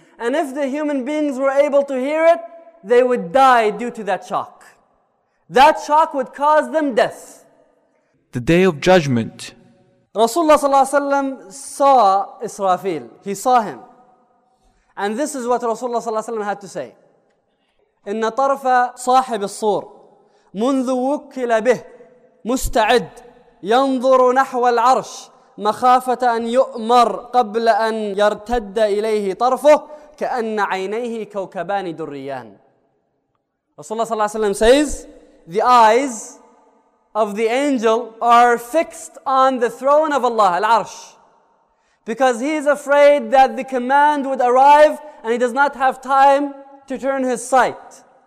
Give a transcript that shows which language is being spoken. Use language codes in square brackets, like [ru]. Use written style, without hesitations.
[en] And if the human beings were able to hear it, they would die due to that shock. That shock would cause them death. The Day of Judgment. Rasulullah sallallahu alayhi wa sallam saw Israfil. He saw him. And this is what Rasulullah sallallahu alayhi wa sallam had to say. [ar] إن طرف صاحب الصور منذ وكل به مستعد ينظر نحو العرش مخافة أن يؤمر قبل أن يرتد إليه طرفه كأن عينيه كوكبان دريان. [en] Rasulullah sallallahu alayhi wa sallam says, the eyes of the angel are fixed on the throne of Allah, al-arsh, because he is afraid that the command would arrive and he does not have time to turn his sight.